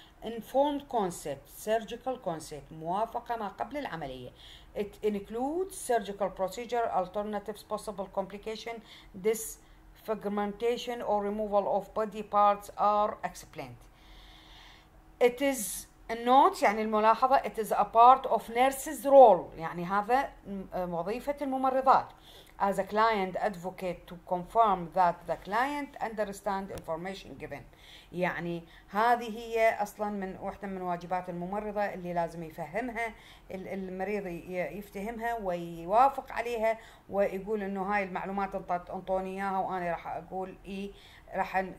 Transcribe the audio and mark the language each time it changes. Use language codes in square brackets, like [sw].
[en] informed consent, surgical consent, [ar] موافقة ما قبل العملية. [en] It includes surgical procedure, alternatives, possible complication, disfigurement or removal of body parts are explained. It is [ar] النوت يعني الملاحظة [en] it is a part of nurse's role [ar] يعني هذا وظيفة الممرضات [en] as a client advocate to confirm that the client understand information given [ar] يعني هذه هي أصلا من واحدة من واجبات الممرضة اللي لازم يفهمها المريض يفتهمها ويوافق عليها ويقول انه هاي المعلومات انطوني اياها وانا راح اقول اي راح